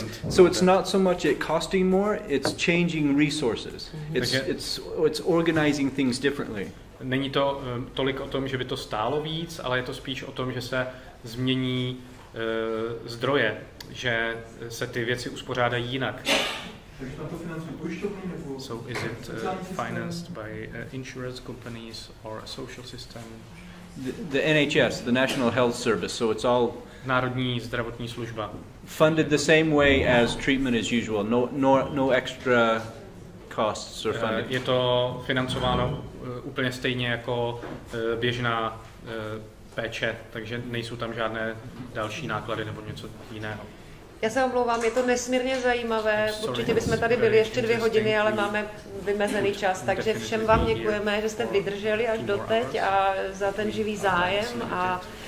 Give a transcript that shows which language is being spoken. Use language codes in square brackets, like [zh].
[en] So it's not so much it costing more, it's changing resources. It's organizing things differently. [cs] Není to tolik o tom, že by to stálo víc, ale je to spíš o tom, že se změní zdroje, že se ty věci uspořádají jinak. Takže tam to financují pojišťovny nebo [en] so is it financed by insurance companies or a social system? The NHS, the National Health Service, so it's all [cs] národní zdravotní služba. [en] Funded the same way as treatment as usual. No extra costs are funded. [cs] Je to financováno úplně stejně jako běžná péče, takže nejsou tam žádné další náklady nebo něco jiného. Já se omlouvám, je to nesmírně zajímavé. Sorry, určitě bychom tady byli ještě 2 hodiny, ale máme vymezený čas, takže všem vám děkujeme, že jste vydrželi až doteď a za ten živý zájem a